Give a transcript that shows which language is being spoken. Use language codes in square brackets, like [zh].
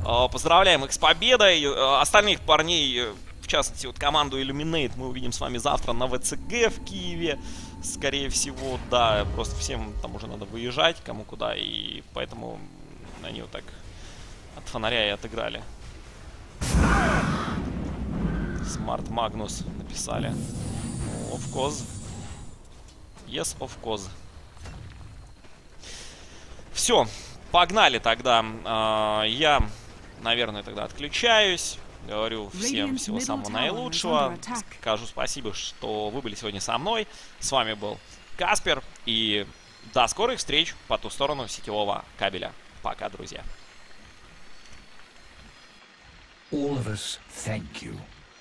[ru] Поздравляем их с победой. Остальных парней, в частности, вот команду Illuminate, мы увидим с вами завтра на ВЦГ в Киеве. Скорее всего, да, просто всем там уже надо выезжать, кому куда. И поэтому они вот так от фонаря и отыграли. Smart Magnus написали. [en] Of course. Yes, of course. [ru] Все, погнали тогда. Я, наверное, тогда отключаюсь. Говорю всем всего самого наилучшего. Скажу спасибо, что вы были сегодня со мной. С вами был Каспер. И до скорых встреч по ту сторону сетевого кабеля. Пока, друзья. [en] All of us thank you.